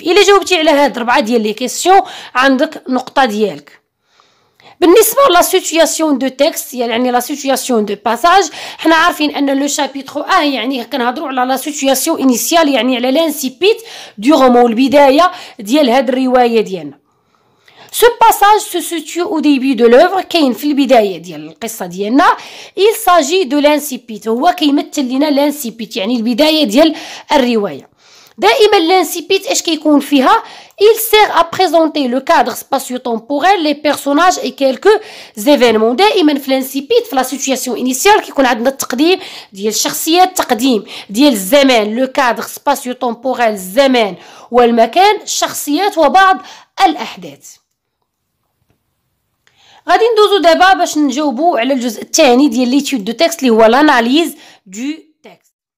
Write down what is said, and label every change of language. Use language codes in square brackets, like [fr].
[ar] الا جاوبتي على هاد ربعه ديال لي كيسيون عندك نقطه ديالك. بالنسبه لا سيتوياسيون دو تيكست يعني لا سيتوياسيون دو باساج، حنا عارفين ان لو شابيترو اه يعني كنهضروا على لا سيتوياسيون انيسيال يعني على [fr] لانسيبيت دو رومون [ar] البدايه ديال هاد الروايه ديالنا. [fr] Ce passage se situe au début de l'œuvre, qui est le début de l'histoire. Il s'agit de l'incipit. Ou qui met l'ina l'incipit, يعني le début de l'histoire. دائما l'incipit, est-ce qu'il compte فيها؟ Il sert à présenter le cadre spatio-temporel, les personnages et quelques événements. [ar] دائما في l'incipit, في la situation initiale, qui compte عندنا تقديم ديال الشخصيات تقديم ديال الزمان، [fr] le cadre spatio-temporel, [ar] الزمان والمكان، الشخصيات وبعض الأحداث. غادي ندوزو دابا باش نجاوبو على الجزء الثاني ديال ليتيود دو تيكست اللي هو لاناليز دو تيكست.